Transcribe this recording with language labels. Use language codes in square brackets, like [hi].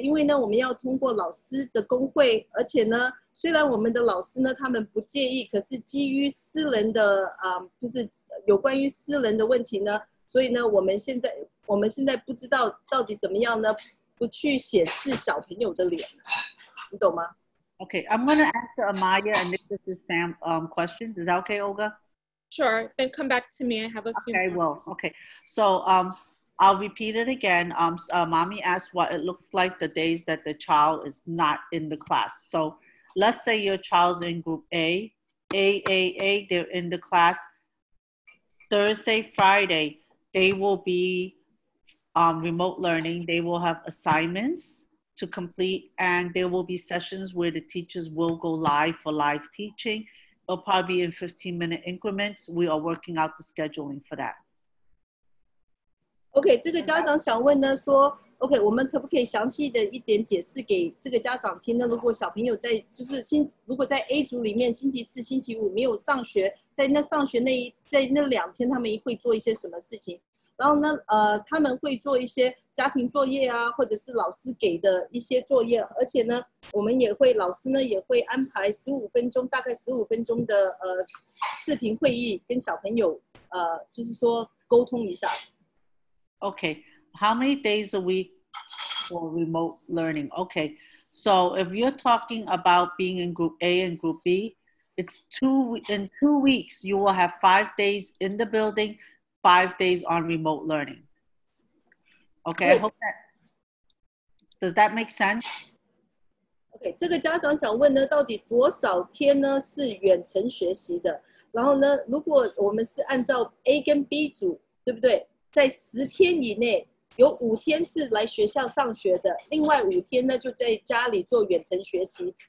[zh] 因为呢，我们要通过老师的工会，而且呢，虽然我们的老师呢，他们不介意，可是基于私人的就是有关于私人的问题呢，所以呢，我们现在不知道到底怎么样呢，不去显示小朋友的脸，你懂吗？ [en] Okay, I'm going to answer Amaya and this is Sam's question. Is that okay, Olga? Sure, then come back to me. I have a few Okay, well, okay. So I'll repeat it again. Mommy asked what it looks like the days that the child is not in the class. So let's say your child's in group A. A, they're in the class. Thursday, Friday, they will be remote learning. They will have assignments. To complete, and there will be sessions where the teachers will go live for live teaching. It'll probably be in 15-minute increments. We are working out the scheduling for that. [zh] Okay, 这个家长想问呢，说 ，OK， 我们可不可以详细的一点解释给这个家长听呢？如果小朋友在就是星，如果在 A 组里面星期四、星期五没有上学，在那上学那一在那两天，他们会做一些什么事情？然后呢，他们会做一些家庭作业啊，或者是老师给的一些作业，而且呢，我们也会老师呢也会安排15分钟，大概15分钟的视频会议，跟小朋友就是说沟通一下。 [en] Okay, how many days a week for remote learning? Okay, so if you're talking about being in group A and group B, it's in two weeks, you will have 5 days in the building, 5 days on remote learning. Okay, I hope that, does that make sense? [zh] Okay, 这个家长想问呢，到底多少天呢是远程学习的？然后呢，如果我们是按照 A 跟 B 组，对不对？在十天以内，有5天是来学校上学的，另外5天呢就在家里做远程学习。